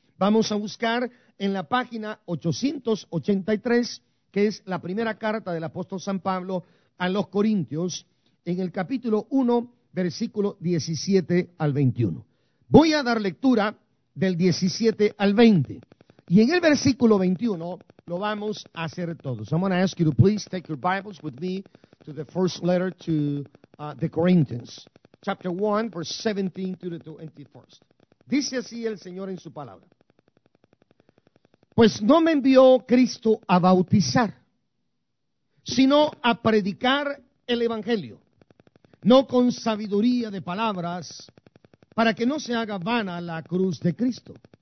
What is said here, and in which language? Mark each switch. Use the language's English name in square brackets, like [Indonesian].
[Spanish] Vamos a buscar en la página 883, que es la primera carta del apóstol San Pablo a los Corintios, en el capítulo 1, versículo 17 al 21. Voy a dar lectura del 17 al 20. Y en el versículo 21 lo vamos a hacer todos. [English] I'm going to ask you to please take your Bibles with me to the first letter to the Corinthians, chapter 1, verse 17 to the 21st. [Spanish] Dice así el Señor en su palabra: pues no me envió Cristo a bautizar, sino a predicar el Evangelio, no con sabiduría de palabras, para que no se haga vana la cruz de Cristo.